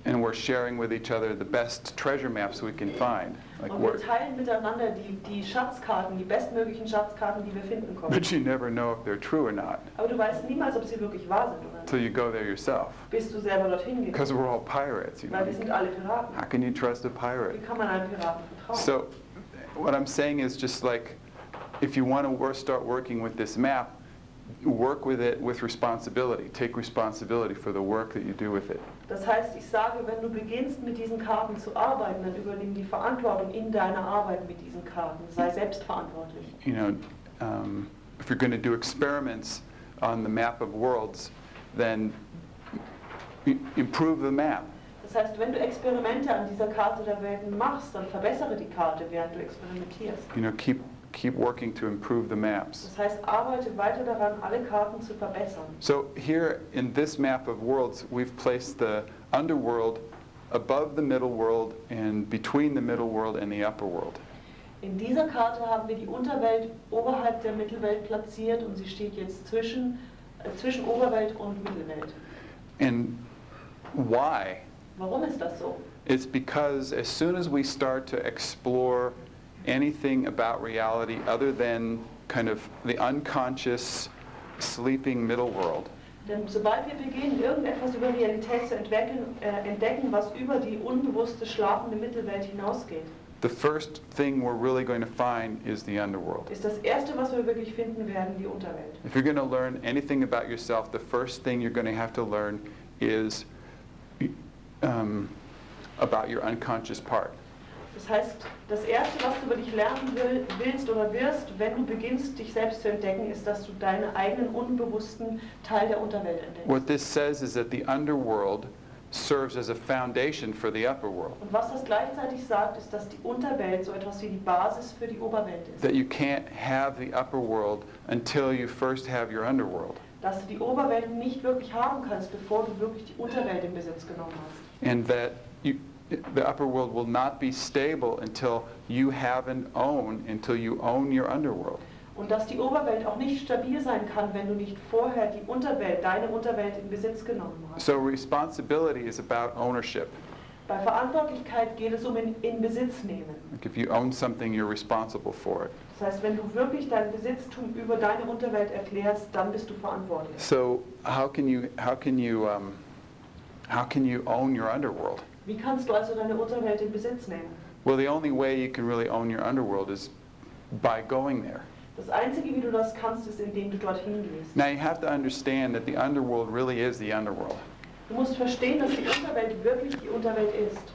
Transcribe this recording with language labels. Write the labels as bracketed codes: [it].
[en] And we're sharing with each other the best treasure maps we can find. Like [de] und wir teilen miteinander die Schatzkarten, die bestmöglichen Schatzkarten, die wir finden können. [en] But you never know if they're true or not. [de] Aber du weißt niemals, ob sie wirklich wahr sind. [en] Until you go there yourself. [de] Bist du selber dorthin gegangen? [en] Because we're all pirates, you know. [de] Weil wir sind alle Piraten. [en] How can you trust a pirate? [de] Wie kann man einem Piraten vertrauen? [en] So what I'm saying is just like, if you want to start working with this map, work with it with responsibility. Take responsibility for the work that you do with it. [de] Das heißt, ich sage, wenn du beginnst mit diesen Karten zu arbeiten, dann übernimm die Verantwortung in deiner Arbeit mit diesen Karten. Sei selbstverantwortlich. [en] You know, if you're going to do experiments on the map of worlds, then improve the map. [de] Das heißt, wenn du Experimente an dieser Karte der Welten machst, dann verbessere die Karte, während du experimentierst. [en] You know, keep working to improve the maps. [de] Das heißt, arbeite weiter daran, alle Karten zu verbessern. [en] So here in this map of worlds, we've placed the underworld above the middle world and between the middle world and the upper world. [de] In dieser Karte haben wir die Unterwelt oberhalb der Mittelwelt platziert und sie steht jetzt zwischen Oberwelt und Mittelwelt. [en] And why? [de] Warum ist das so? [en] It's because as soon as we start to explore anything about reality other than kind of the unconscious sleeping middle world. [de] Denn sobald wir beginnen, irgendetwas über Realität zu entdecken, was über die unbewusste schlafende Mittelwelt hinausgeht. [en] The first thing we're really going to find is the underworld. [de] Ist das erste, was wir wirklich finden werden, die Unterwelt. [en] If you're going to learn anything about yourself, the first thing you're going to have to learn is about your unconscious part. [de] Das heißt, das Erste, was du über dich lernen willst oder wirst, wenn du beginnst, dich selbst zu entdecken, ist, dass du deinen eigenen unbewussten Teil der Unterwelt entdeckst. [en] What this says is that the underworld serves as a foundation for the upper world. [de] Und was das gleichzeitig sagt, ist, dass die Unterwelt so etwas wie die Basis für die Oberwelt ist. [en] That you can't have the upper world until you first have your underworld. [de] Dass du die Oberwelt nicht wirklich haben kannst, bevor du wirklich die Unterwelt in Besitz genommen hast. [en] And that you, the upper world will not be stable until you have an own, until you own your underworld. [de] Und dass die Oberwelt auch nicht stabil sein kann, wenn du nicht vorher die Unterwelt, deine Unterwelt in Besitz genommen hast. [en] So responsibility is about ownership. [de] Bei Verantwortlichkeit geht es um in Besitz nehmen. [en] Like if you own something, you're responsible for it. [de] Das heißt, wenn du wirklich dein Besitztum über deine Unterwelt erklärst, dann bist du verantwortlich. [en] So how can you own your underworld? [de] Wie kannst du also deine Unterwelt in Besitz nehmen? [en] Well, the only way you can really own your underworld is by going there. [de] Das Einzige, wie du das kannst, ist, indem du dorthin gehst. [en] Now you have to understand that the underworld really is the underworld. [de] Du musst verstehen, dass die Unterwelt wirklich die Unterwelt ist.